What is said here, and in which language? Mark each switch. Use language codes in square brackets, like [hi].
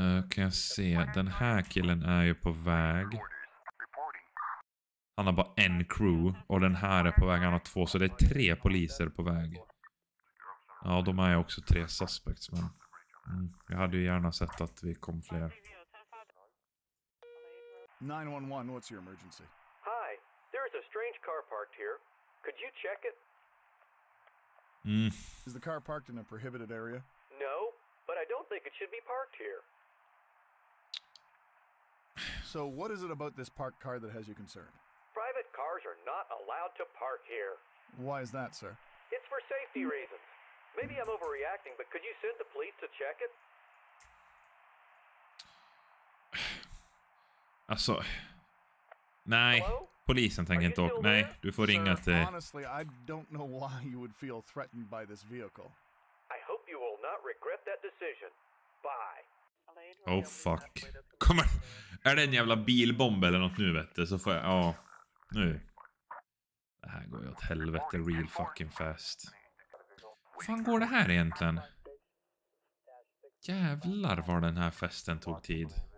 [sv] Kan jag se, den här killen är ju på väg. Han har bara en crew och den här är på väg, han har två, så det är tre poliser på väg. Ja, de är ju också tre suspects, men jag hade ju gärna sett att vi kom fler. [en] 911, what's your emergency? Hi, there is a strange car parked here. Could you check it? Is the car parked in a prohibited area? No, but I don't think it should be parked here. So what is it about this parked car that has you concerned? Private cars are not allowed to park here. Why is that, sir? It's for safety reasons. Maybe I'm overreacting, but could you send the police to check it? [sv] Alltså, nej, [en] hello? [sv] Polisen tänker inte åka. Nej, du får ringa till... [en] Honestly, I don't know why you would feel threatened by this vehicle. I hope you will not regret that decision. Bye. Oh fuck. [sv] Kommer, är det en jävla bilbomb eller något nu, vet du? Så får jag, ja, nu. Det här går ju åt helvete [en] real fucking fast. [sv] Hur fan går det här egentligen? Jävlar var den här festen tog tid.